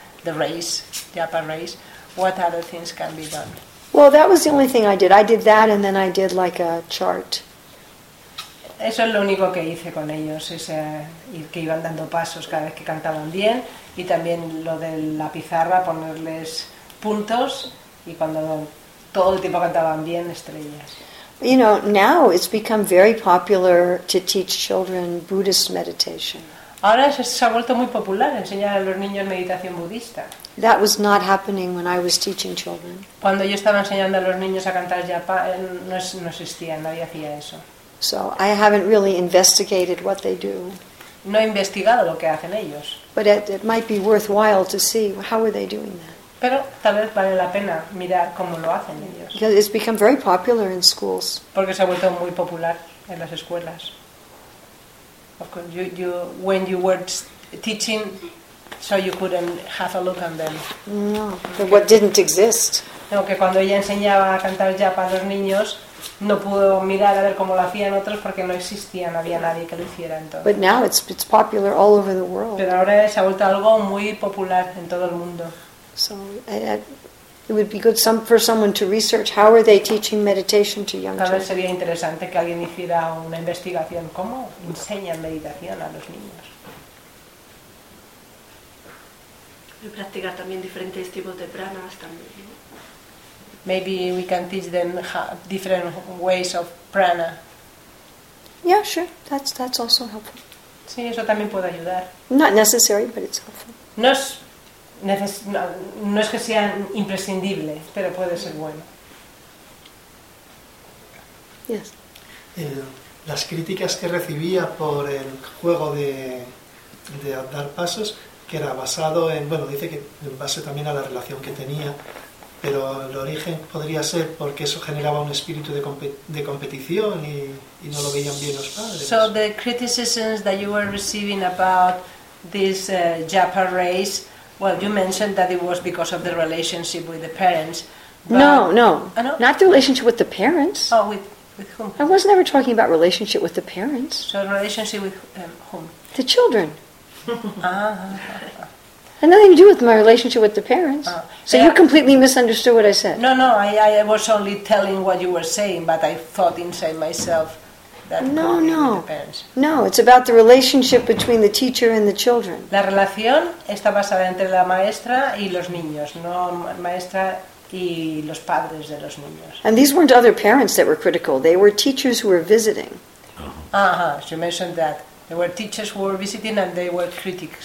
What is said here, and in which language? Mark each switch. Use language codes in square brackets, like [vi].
[en] The race, the upper race, what other things can be done? Well, that was the only thing I did. I did that and then I did like a chart. [es] Eso es lo único que hice con ellos, ese, que iban dando pasos cada vez que cantaban bien, y también lo de la pizarra, ponerles puntos, y cuando todo el tiempo cantaban bien, estrellas. [en] You know, now it's become very popular to teach children Buddhist meditation. [es] Ahora se ha vuelto muy popular enseñar a los niños meditación budista. [en] That was not happening when I was teaching children. [es] Cuando yo estaba enseñando a los niños a cantar japa, no existía, nadie hacía eso. [en] So I haven't really investigated what they do. [es] No he investigado lo que hacen ellos. [en] But it might be worthwhile to see how are they doing that. [es] Pero tal vez vale la pena mirar cómo lo hacen ellos. [en] Because it's become very popular in schools. [es] Porque se ha vuelto muy popular en las escuelas. [en] Of course, you when you were teaching, so you couldn't have a look on them. No, but what didn't exist. [es] No, que cuando ella enseñaba a cantar ya para los niños. No pudo mirar a ver cómo lo hacían otros porque no existía, no había nadie que lo hiciera entonces. [en] But now it's popular all over the world. [es] Pero ahora se ha vuelto algo muy popular en todo el mundo. [en] So it would be good for someone to research how are they teaching meditation to young children. [es] Tal vez sería interesante que alguien hiciera una investigación cómo enseñan meditación a los niños. y practicar también diferentes tipos de pranas también. [en] Maybe we can teach them different ways of prana. Yeah, sure. That's also helpful. [es] Sí, eso también puede ayudar. [en] Not necessary, but it's helpful. [es] No es que sea imprescindible, pero puede ser bueno. [en] Yes. [es] Las críticas que recibía por el juego de dar pasos, que era basado en, bueno, dice que en base también a la relación que tenía, pero el origen podría ser porque eso generaba un espíritu de competición y no lo veían bien los padres. [en] So the criticisms that you were receiving about this Japa race, well, you mentioned that it was because of the relationship with the parents. No, not the relationship with the parents. Oh, with whom? I was never talking about relationship with the parents. So relationship with whom? The children. Uh-huh. It had nothing to do with my relationship with the parents. So you completely misunderstood what I said. No, I was only telling what you were saying, but I thought inside myself that the parents. No, it's about the relationship between the teacher and the children. [es] La relación está basada entre la maestra y los niños, no maestra y los padres de los niños. [en] And these weren't other parents that were critical. They were teachers who were visiting. Uh-huh. Uh-huh. You mentioned that. There were teachers who were visiting and they were critics.